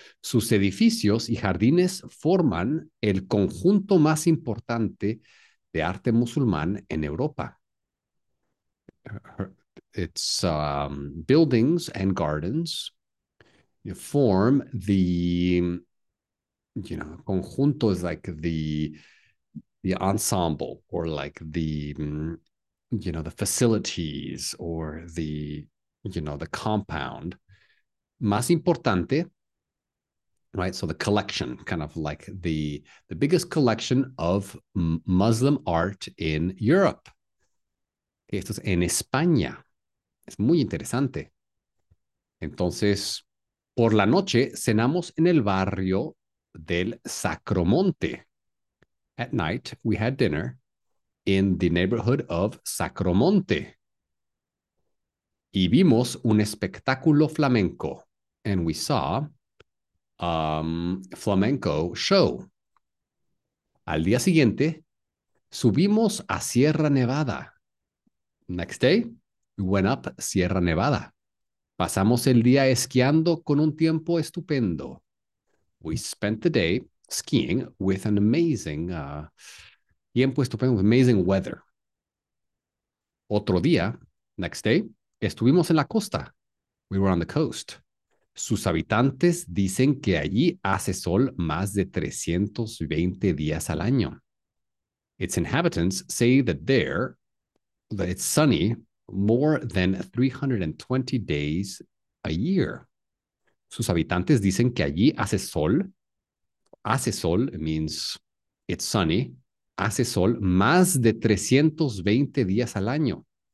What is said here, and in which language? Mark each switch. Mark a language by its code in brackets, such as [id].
[es] Sus edificios y jardines forman el conjunto más importante de arte musulmán en Europa. [en] Its buildings and gardens form the, you know, conjunto is like the ensemble or like the, you know, the facilities or the, you know, the compound. [es] Más importante, [en] right? So the collection, kind of like the biggest collection of Muslim art in Europe. [es] Esto es en España. Es muy interesante. Entonces, por la noche, cenamos en el barrio del Sacromonte. [en] At night, we had dinner in the neighborhood of Sacromonte. [es] Y vimos un espectáculo flamenco. [en] And we saw a flamenco show. [es] Al día siguiente, subimos a Sierra Nevada. [en] Next day, we went up Sierra Nevada. [es] Pasamos el día esquiando con un tiempo estupendo. [en] We spent the day skiing with an amazing, [es] tiempo estupendo, [en] with amazing weather. [es] Otro día, [en] next day, [es] estuvimos en la costa. [en] We were on the coast. [es] Sus habitantes dicen que allí hace sol más de 320 días al año. [en] Its inhabitants say that there, that it's sunny more than 320 days a year. [es] Sus habitantes dicen que allí hace sol. Hace sol [en] means it's sunny. [es] Hace sol más de 320 días al año.